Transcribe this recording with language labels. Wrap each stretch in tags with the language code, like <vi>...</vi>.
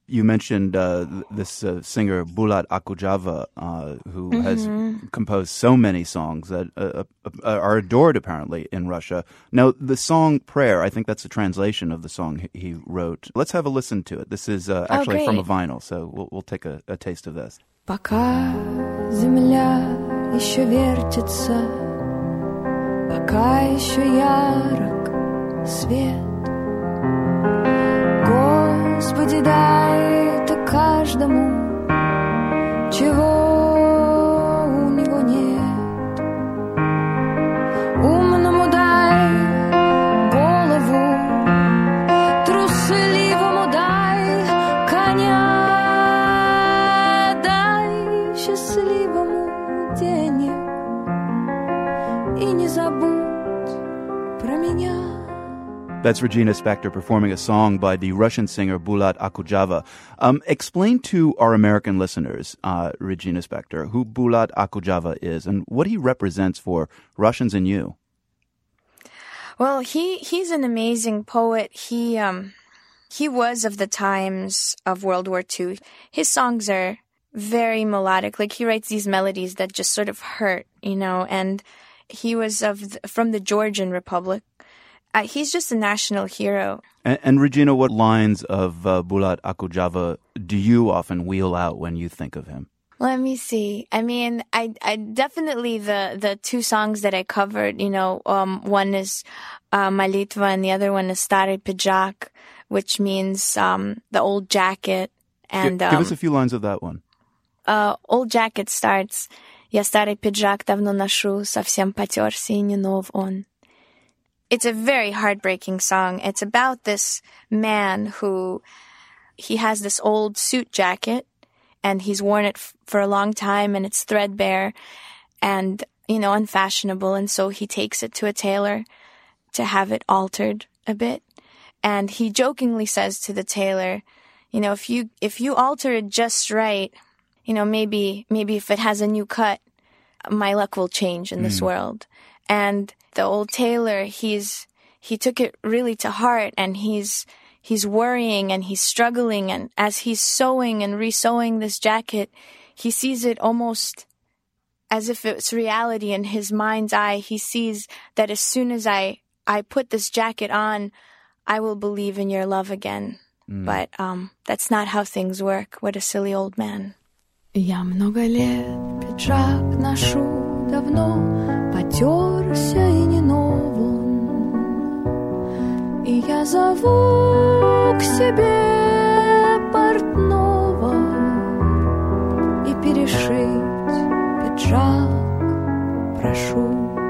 <en>You mentioned this singer, Bulat Okudzhava, who mm-hmm. has composed so many songs that are adored, apparently, in Russia. Now, the song Prayer, I think that's a translation of the song he wrote. Let's have a listen to it. This is actually from a vinyl, so we'll take a taste of this.</en> <ru>Пока земля еще вертится, пока еще ярок свет. Господи, дай это каждому, чего у него нет. Умному дай голову, трусливому дай коня, дай счастливому денег и не забудь про меня.</ru> <en>That's Regina Spektor performing a song by the Russian singer Bulat Akhujava. Explain to our American listeners, Regina Spektor, who Bulat Akhujava is and what he represents for Russians and you. Well, he's an amazing poet. He was of the times of World War II. His songs are very melodic. Like, he writes these melodies that just sort of hurt, you know, and he was from the Georgian Republic. He's just a national hero. And Regina, what lines of Bulat Akhujava do you often wheel out when you think of him? Let me see. I mean, I definitely the two songs that I covered, you know, one is Malitva and the other one is Stary Pidjak, which means the old jacket. And give us a few lines of that one. Old jacket starts,</en> <ru>Я старый пиджак давно ношу, совсем потерся и не нов он.</ru> <en>It's a very heartbreaking song. It's about this man who he has this old suit jacket and he's worn it for a long time and it's threadbare and, you know, unfashionable. And so he takes it to a tailor to have it altered a bit. And he jokingly says to the tailor, you know, if you alter it just right, you know, maybe if it has a new cut, my luck will change in this world. And the old tailor, he took it really to heart, and he's worrying and he's struggling. And as he's sewing and re-sewing this jacket, he sees it almost as if it's reality. In his mind's eye, he sees that as soon as I put this jacket on, I will believe in your love again. But that's not how things work. What a silly old man.</en> <ru>Я много лет пиджак ношу давно. Потерся и не нов он, и я зову к себе портного и перешить пиджак прошу.</ru>